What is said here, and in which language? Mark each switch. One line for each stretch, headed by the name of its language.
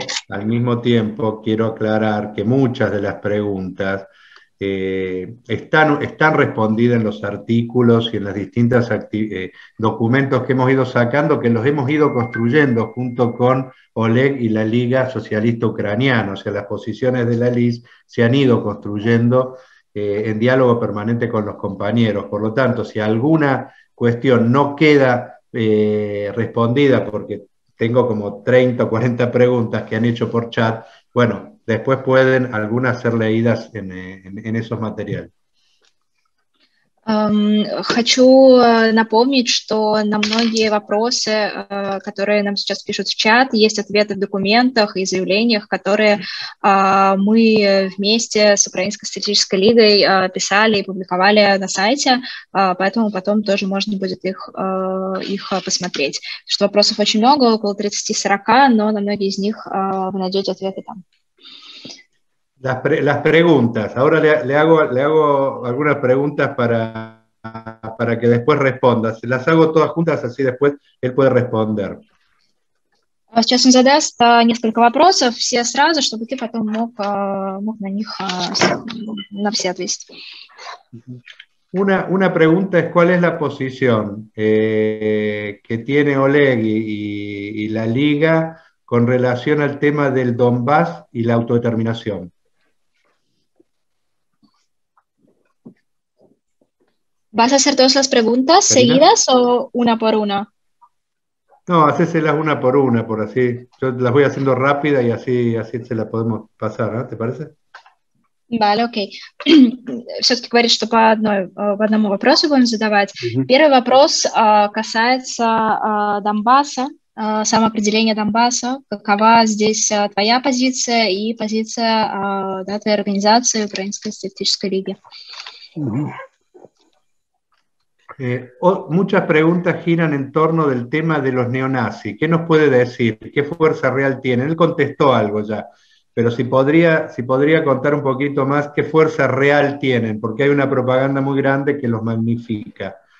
Spanish: Al mismo tiempo, quiero aclarar que muchas de las preguntas están respondidas en los artículos y en los distintos documentos que hemos ido sacando, que los hemos ido construyendo junto con Oleg y la Liga Socialista Ucraniana. O sea, las posiciones de la LIS se han ido construyendo en diálogo permanente con los compañeros. Por lo tanto, si alguna cuestión no queda respondida, porque tengo como 30 o 40 preguntas que han hecho por chat, bueno, después pueden algunas ser leídas en esos materiales.
Russian: Хочу напомнить, что на многие вопросы, которые нам сейчас пишут в чат, есть ответы в документах и заявлениях, которые мы вместе с Украинской социалистической лигой писали и публиковали на сайте, поэтому потом тоже можно будет их посмотреть. Потому что вопросов очень много, около 30-40, но на многие из них вы найдете ответы там.
Spanish: Las preguntas. Ahora le hago algunas preguntas para que después responda. Las hago todas juntas, así después él puede responder. Сейчас он задаст несколько вопросов, все сразу, чтобы ты потом мог на них на все ответить. Una pregunta es cuál es la posición que tiene Oleg y la Liga con relación al tema del Donbass y la autodeterminación. ¿Vas a hacer todas las preguntas seguidas o una por una? No, hacéselas una por una, por así. Yo las voy haciendo rápida y así se las podemos pasar, ¿no? ¿Te parece? Vale, ok.
Russian: Все-таки говорит, что по одному вопросу будем задавать. Uh-huh. Первый вопрос касается Донбасса, самоопределения Донбасса. Какова здесь твоя позиция и позиция да, твоей организации Украинской социалистической лиги? Uh-huh.
Spanish: Muchas preguntas giran en torno del tema de los neonazis. ¿Qué nos puede decir? ¿Qué fuerza real tiene? Él contestó algo ya, pero si podría contar un poquito más qué fuerza real tienen, porque hay una propaganda muy grande que los magnifica.